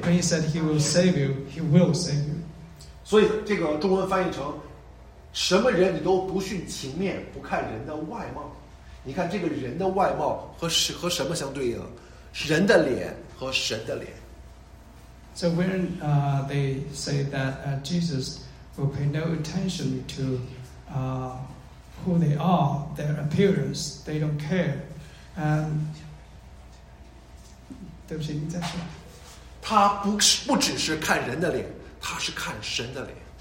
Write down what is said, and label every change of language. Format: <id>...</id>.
<en>When he said he will save you, he will save you.</en> <zh>所以这个中文翻译成什么人你都不逊情面，不看人的外貌。你看这个人的外貌和什么相对应？人的脸和神的脸。</zh> <en>So when they say that Jesus will pay no attention to who they are, their appearance, they don't care.</en> <zh>对不起，你再说。他不只是看人的脸，他是看神的脸。</zh>